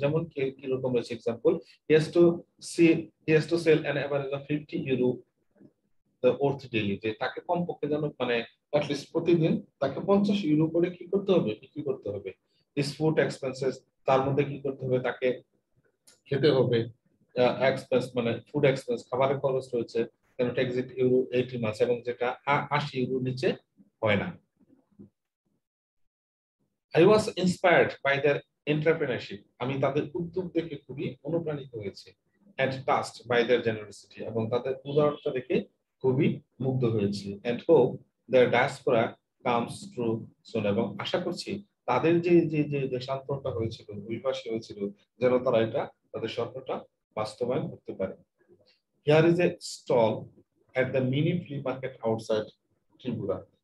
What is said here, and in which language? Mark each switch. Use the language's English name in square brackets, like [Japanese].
[Bangla] যেমন কিরকম রয়েছে, example, [English] he has to sell an average of 50 euro [Bangla] অর্থ ডেলি, যে তাকে কমপক্ষে যেন মানে অ্যাটলিস্ট প্রতিদিন তাকে 50 ইউরো করে কি করতে হবে, বিক্রি করতে হবে, ইস ফুড এক্সপেন্সেস তার মধ্যে কি করতে হবে, তাকে খেতে হবে, এক্সপেন্স মানে ফুড এক্সপেন্স খাবারের খরচ রয়েছে, কেন এক্সিট ইউরো 80 মাস এবং যেটা 80 ইউরো নিচে হয় না। [English] I was inspired by their entrepreneurship. [Bangla] আমি তাদের উদ্যোগ দেখে খুবই অনুপ্রাণিত হয়েছি। [English] And touched by their generosity. [Bangla] এবং তাদের উদারতা দেখে খুবই মুগ্ধ হয়েছি। [English] And hope their diaspora comes through soon. [Bangla] এবং আশা করছি তাদের যে যে যে দেশান্তরটা হয়েছিল, অভিবাসী হয়েছিল, যেন তারা এটা তাদের স্বপ্নটা বাস্তবায়ন করতে পারে। [English] Here is a stall at the mini flea market outside Tribura.